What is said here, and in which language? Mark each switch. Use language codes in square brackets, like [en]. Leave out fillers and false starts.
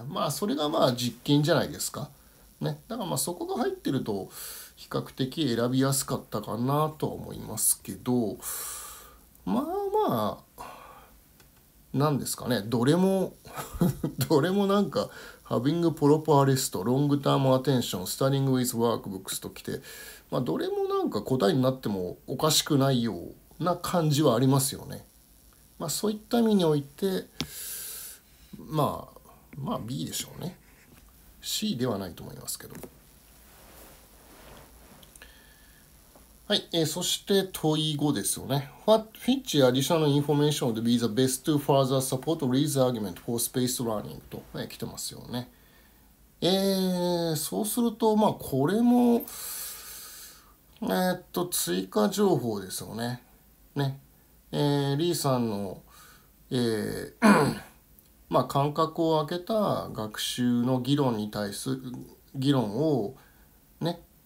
[ja] まあそれがまあ実験じゃないですかね。だからまあそこが入ってると比較的選びやすかったかなと思いますけど、まあまあ何ですかね、どれもどれもなんか [en] Having proper rest, long term attention, studying with workbooks [ja] と来て、まあどれもなんか答えになってもおかしくないような感じはありますよね。まあそういった意味において、まあ、まあ B でしょうね。 C ではないと思いますけど。はい、そして問5ですよね。 [en] What, which additional information would be the best to further support Lee's argument for spaced learning? [ja] と、来てますよね。そうすると、まあ、これも、追加情報ですよね。ね。 Lee さんの、まあ、間隔を空けた学習の議論に対する、議論を、ね。